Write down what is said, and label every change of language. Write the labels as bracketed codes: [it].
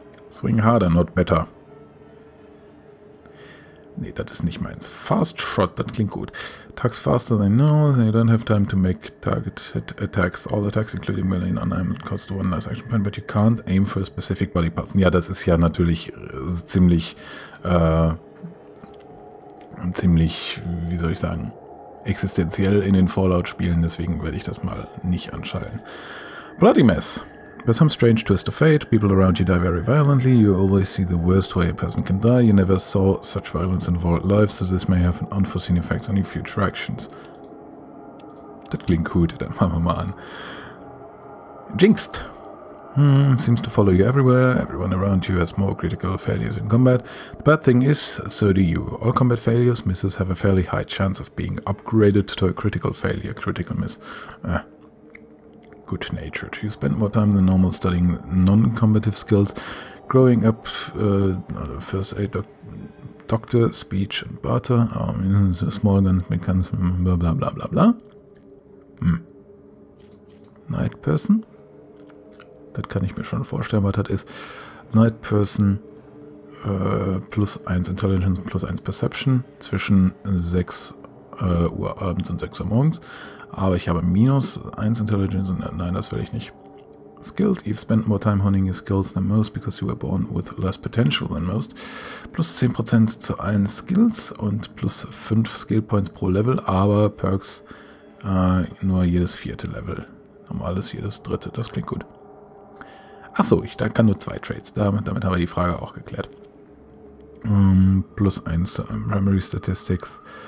[en] Swing harder, not better. [de] Nee, das ist nicht meins. Fast Shot, das klingt gut. [en] Attacks faster than no, then you don't have time to make target attacks. All attacks, including melee and unarmed, cost one less action point, but you can't aim for a specific body parts. [de] Ja, das ist ja natürlich ziemlich, wie soll ich sagen, existenziell in den Fallout-Spielen, deswegen werde ich das mal nicht anschalten. [en] Bloody Mess. By some strange twist of fate, people around you die very violently. You always see the worst way a person can die. You never saw such violence in vault life, so this may have an unforeseen effect on your future actions. [de] Das klingt gut, dann machen wir mal an. [en] Jinxed! Seems to follow you everywhere. Everyone around you has more critical failures in combat. The bad thing is, so do you. All combat failures, misses have a fairly high chance of being upgraded to a critical failure. Critical miss. Good natured. You spend more time than normal studying non-combative skills. Growing up, first aid doctor, speech and barter, small guns, mechanism, blah blah blah blah blah. Night person. [de] Das kann ich mir schon vorstellen, was das ist. Night person plus 1 intelligence plus 1 perception zwischen 6 Uhr abends und 6 Uhr morgens. Aber ich habe minus 1 Intelligence und nein, das will ich nicht. [en] skilled. You've spent more time honing your skills than most because you were born with less potential than most. [de] Plus 10% zu allen Skills und plus 5 Skill Points pro Level, aber Perks nur jedes vierte Level. Normales jedes dritte. Das klingt gut. Achso, ich kann nur 2 Trades. Damit haben wir die Frage auch geklärt. Plus 1 zu Primary Statistics.